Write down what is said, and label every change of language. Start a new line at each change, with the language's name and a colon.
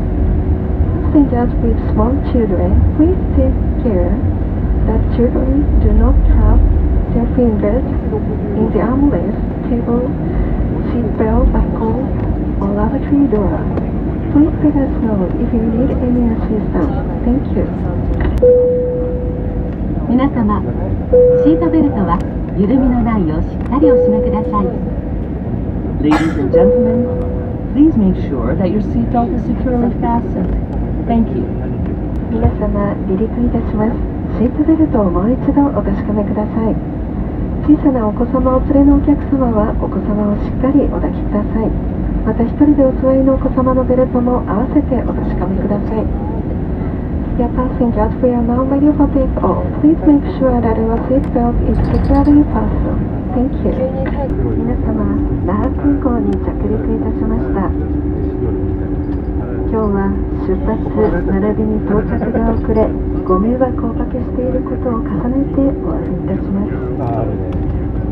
English: Passengers with small children, please take care that children do not have their fingers in the armrest, table, seatbelt buckle, or lavatory door. Please let us know if you need any assistance. Thank you.
Japanese: 皆様、シートベルトは緩みのないようしっかりお締めください。
English: Ladies and gentlemen, please make sure that your seatbelt is securely fastened. Thank you.
Japanese: 皆様、離陸いたします。シートベルトをもう一度お確かめください。小さなお子様をお連れのお客様は、お子様をしっかりお抱きください。また一人でお座りのお子様のベルトも合わせてお確かめください。
English: Dear passengers, we are now ready for takeoff. Please make sure that your seat belt is securely fastened. Thank you.
Japanese: 皆様、那覇空港に着陸いたしました。今日は出発並びに到着が遅れ、ご迷惑をおかけしていることを重ねてお詫びいたします。